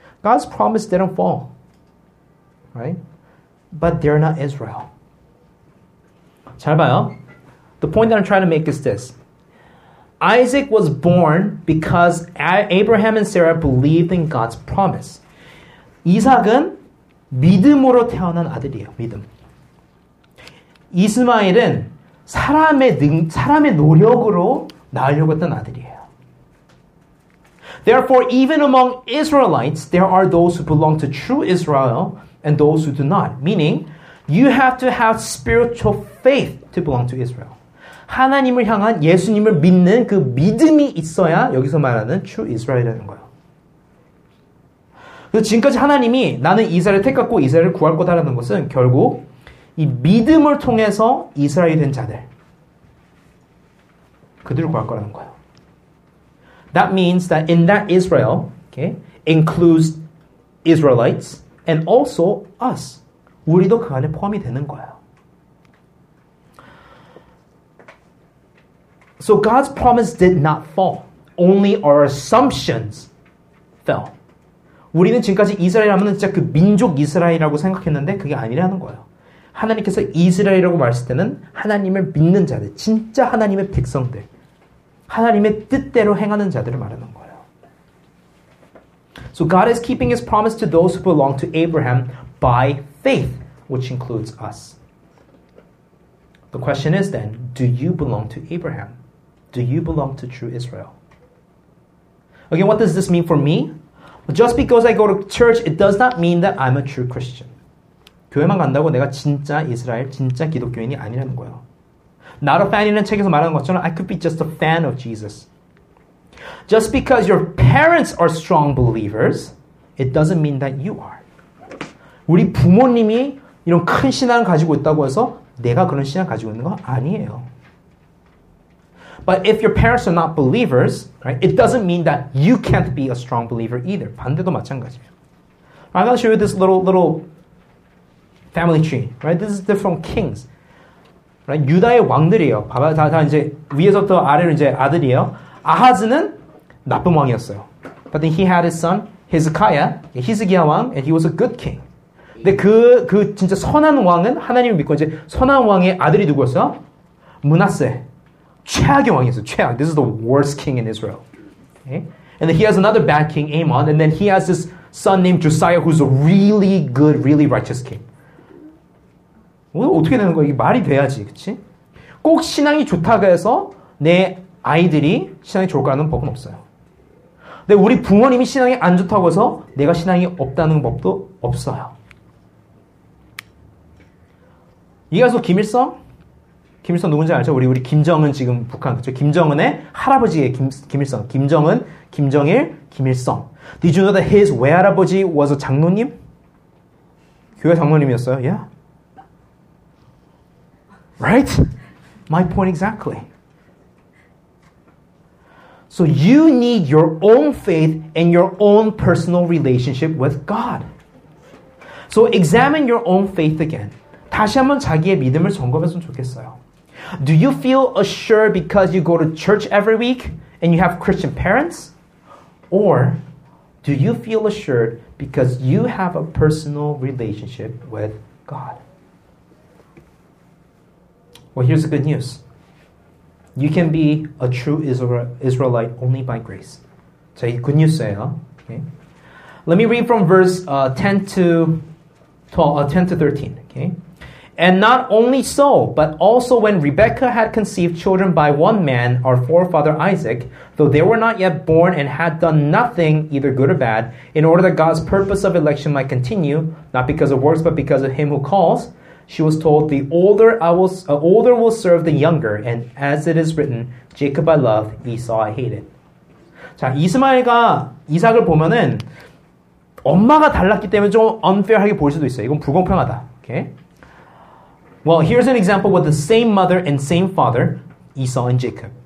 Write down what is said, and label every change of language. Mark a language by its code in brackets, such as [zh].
[en] God's promise didn't fall. Right? But they're not Israel. [ko] 잘 봐요. [en] The point that I'm trying to make is this. Isaac was born because Abraham and Sarah believed in God's promise. [ko] 이삭은 믿음으로 태어난 아들이에요. 믿음. 이스마엘은 사람의 노력으로 낳으려고 했던 아들이에요. [en] Therefore, even among Israelites, there are those who belong to true Israel and those who do not. Meaning, you have to have spiritual faith to belong to Israel. [ko] 하나님을 향한 예수님을 믿는 그 믿음이 있어야 여기서 말하는 [en] true Israel [ko] 이라는 거예요. 그래서 지금까지 하나님이 나는 이스라엘을 택하고 이스라엘을 구할 거다라는 것은 결국 이 믿음을 통해서 이스라엘이 된 자들 그들을 구할 거라는 거예요. [en] That means that in that Israel okay, includes Israelites and also us. [ko] 우리도 그 안에 포함이 되는 거예요. [en] So God's promise did not fall. Only our assumptions fell. [ko] 우리는 지금까지 이스라엘하면 진짜 그 민족 이스라엘이라고 생각했는데 그게 아니라는 거예요. 하나님께서 이스라엘이라고 말했을 때는 하나님을 믿는 자들, 진짜 하나님의 백성들, 하나님의 뜻대로 행하는 자들을 말하는 거예요. [en] So God is keeping his promise to those who belong to Abraham by faith, which includes us. The question is then, do you belong to Abraham? Do you belong to true Israel? Again, what does this mean for me? Just because I go to church, it does not mean that I'm a true Christian. [ko] 교회만 간다고 내가 진짜 이스라엘, 진짜 기독교인이 아니라는 거예요. [en] Not a fan이라는 [ko] 책에서 말하는 것처럼 [en] I could be just a fan of Jesus. Just because your parents are strong believers, it doesn't mean that you are. [ko] 우리 부모님이 이런 큰 신앙을 가지고 있다고 해서 내가 그런 신앙을 가지고 있는 거 아니에요. [en] But if your parents are not believers, right, it doesn't mean that you can't be a strong believer either. [ko] 반대도 마찬가지예요. [en] I'm going to show you this little family tree, right? This is different kings, right? [ko] 유다의 왕들이에요. 봐봐, 다 이제 위에서부터 아래로 이제 아들이에요. 아하즈는 나쁜 왕이었어요. [en] But then he had his son Hezekiah, [ko] Hezekiah 왕, [en] and he was a good king. [ko] 근데 그 진짜 선한 왕은 하나님을 믿고 이제 선한 왕의 아들이 누구였어요? 므낫세. 최악의 왕이었어요. 최악. [en] This is the worst king in Israel. Okay? And then he has another bad king, Amon, and then he has this son named Josiah, who's a really good, really righteous king. [ko] 어떻게 되는 거야? 이게 말이 돼야지, 그치? 꼭 신앙이 좋다고 해서 내 아이들이 신앙이 좋을까라는 법은 없어요. 근데 우리 부모님이 신앙이 안 좋다고 해서 내가 신앙이 없다는 법도 없어요. 이어서 김일성? 김일성 누군지 알죠? 우리 김정은 지금 북한, 그쵸? 김정은의 할아버지의 김일성. [en] 김정은, 김정일, 김일성. Did you know that his [ko] 외할아버지 [en] was a [ko] 장로님? 교회 장로님이었어요? [en] Yeah. Right? My point exactly. So you need your own faith and your own personal relationship with God. So examine your own faith again. [ko] 다시 한번 자기의 믿음을 점검했으면 좋겠어요. [en] Do you feel assured because you go to church every week and you have Christian parents? Or do you feel assured because you have a personal relationship with God? Well, here's the good news. You can be a true Israelite only by grace. [ko] 자, 이게 [en] good news예요. Okay. Let me read from verse 10 to 13. Okay. And not only so, but also when Rebekah had conceived children by one man, our forefather Isaac, though they were not yet born and had done nothing, either good or bad, in order that God's purpose of election might continue, not because of works, but because of him who calls, she was told, the older will serve the younger, and as it is written, Jacob I loved, Esau I hated. [ko] 자, 이스마엘과 이삭을 보면은 엄마가 달랐기 때문에 좀 unfair하게 보일 수도 있어요. 이건 불공평하다. [en] Okay? Well, here's an example with the same mother and same father, Esau and Jacob.